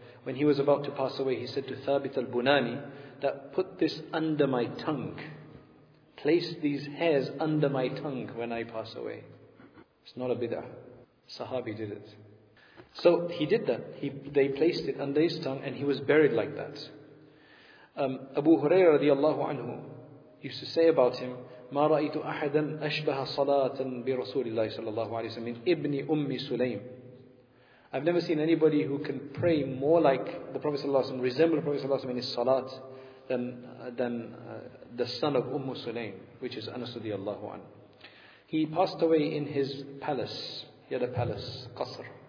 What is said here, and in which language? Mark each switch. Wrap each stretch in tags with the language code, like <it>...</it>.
<en>When he was about to pass away, he said to Thabit al-Bunani, that put this under my tongue. Place these hairs under my tongue when I pass away. It's not a bid'ah. Sahabi did it. So he did that. They placed it under his tongue and he was buried like that. Abu Hurairah radiallahu anhu used to say about him,</en> <ar>ما رأيت أحدا أشبه صلاة برسول الله صلى الله عليه وسلم من ابن أم سليم.</ar> <en>I've never seen anybody who can pray more like the Prophet صلى الله عليه وسلم, resemble the Prophet صلى الله عليه وسلم in his salat than the son of Umm Sulaym, which is Anas رضي الله عنه. He passed away in his palace. He had a palace, قصر.</en>